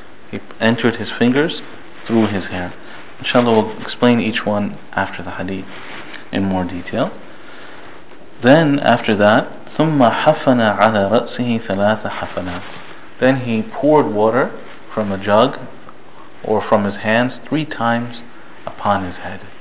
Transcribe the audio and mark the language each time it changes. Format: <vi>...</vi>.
<en>He entered his fingers through his hair. Inshallah, we'll explain each one after the hadith in more detail. Then after that,</en> <ar>ثُمَّ حَفَنَ عَلَى رَأْسِهِ ثَلَاثَ حَفَنَاتٍ.</ar> <en>Then he poured water from a jug or from his hands three times upon his head.</en>